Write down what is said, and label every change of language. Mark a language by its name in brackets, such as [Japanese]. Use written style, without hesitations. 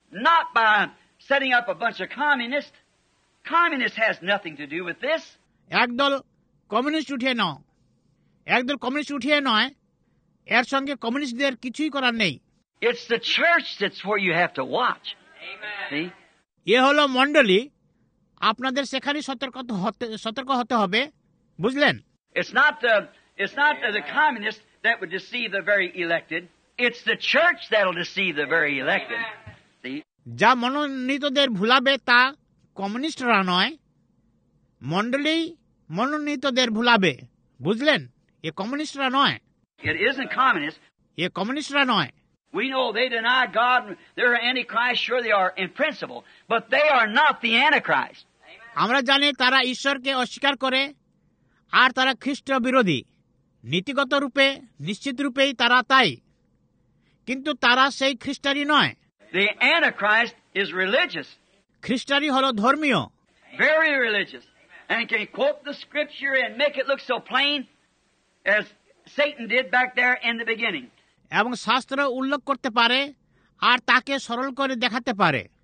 [English] Not by setting up a bunch of communists. Communists has nothing to do with this. [Bangla] একদল communist উঠিয়ে নাও, একদল communist উঠিয়ে নয়, এর সঙ্গে কমিউনিস্টদের কিছুই করার নেই। [English] It's the church that's where you have to watch. Amen. [Bangla] এ হলো মণ্ডলী, আপনাদের সেখানে সতর্ক হতে হবে, বুঝলেন। [English] It's not the communists that would deceive the very elected. It's the church that'll deceive the very elected. [Bangla] যা মনোনীতদের ভুলাবে তা কমিউনিস্টরা নয়, মণ্ডলী মনোনীতদের ভুলাবে, বুঝলেন। এ কমিউনিস্টরা নয়, [English] it isn't communist. [Bangla] এ কমিউনিস্টরা নয়, [English] we know they deny God, they're antichrist, sure they are in principle, but they are not the antichrist. [Bangla] আমরা জানি তারা ঈশ্বরকে অস্বীকার করে আর তারা খ্রিস্ট বিরোধী, নীতিগত রূপে নিশ্চিত রূপেই তারা তাই, কিন্তু তারা সেই খ্রিস্টারি নয়। [English] The antichrist is religious. [Bangla] খ্রিস্টারি হলো ধর্মীয়। [English] Very religious. And can quote the scripture and make it look so plain as Satan did back there in the beginning. [Bangla] এবং শাস্ত্র উল্লেখ করতে পারে আর তাকে সরল করে দেখাতে পারে।